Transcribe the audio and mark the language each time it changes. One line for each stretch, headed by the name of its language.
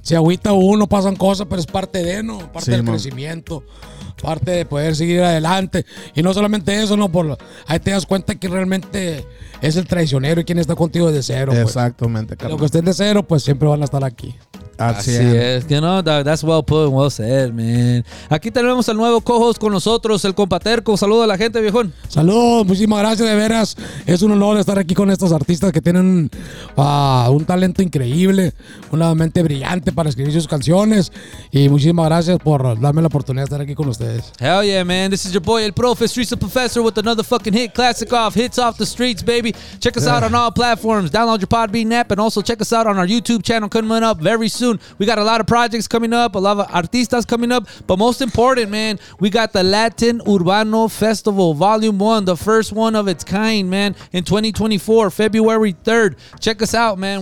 Spanish: Si agüita uno, pasan cosas, pero es parte de, ¿no? Parte sí, del man. Crecimiento. Parte de poder seguir adelante. Y no solamente eso, ¿no? Ahí te das cuenta que realmente es el traicionero y quien está contigo desde cero. Exactamente, pues. Lo que estén de cero, pues siempre van a estar aquí. Así es.
English: You know, that's well put and well said, man.
Spanish: Aquí tenemos al nuevo co-host con nosotros, el compa Terco. Saludos a la gente, viejón. Saludos, muchísimas gracias, de veras. Es un honor estar aquí con estos artistas que tienen un talento increíble, una mente brillante para escribir sus canciones. Y muchísimas gracias por darme la oportunidad de estar aquí con ustedes.
English: Hell yeah, man. This is your boy, el profe, Streets the Professor, with another fucking hit classic off Hits Off the Streets, baby. Check us out on all platforms. Download your Podbean app and also check us out on our YouTube channel coming up very soon. We got a lot of projects coming up, a lot of artistas coming up, but most important, man, we got the Latin Urbano Festival Volume 1, the first one of its kind, man, in 2024, February 3rd. Check us out, man.